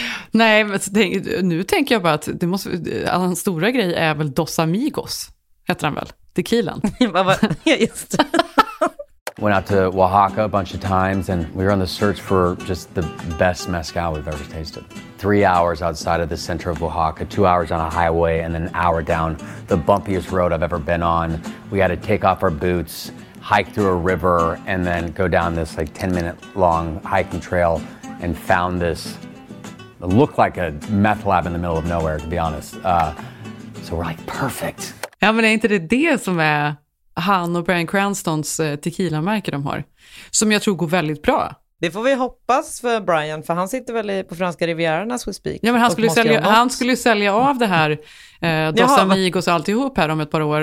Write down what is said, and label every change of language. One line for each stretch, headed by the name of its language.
Swedish: Nej, men nu tänker jag bara att det måste, en stora grej är väl Dos Amigos, heter han väl? Tequilan. Ja, just det.
English: Went out to Oaxaca a bunch of times and we were on the search for just the best mezcal we've ever tasted. 3 hours outside of the center of Oaxaca, 2 hours on a highway and then an hour down the bumpiest road I've ever been on. We had to take off our boots, hike through a river and then go down this like 10 minute long hiking trail and found this, it looked like a meth lab in the middle of nowhere, to be honest. So we're like, perfect.
Swedish: Ja, men är inte det som är... Han och Bryan Cranstons tequila-märke de har. Som jag tror går väldigt bra. Det får vi hoppas för Brian. För han sitter väl på franska rivierarna,
English: as we speak.
Swedish: Ja, men han skulle sälja av det här Dos Amigos och alltihop här om ett par år.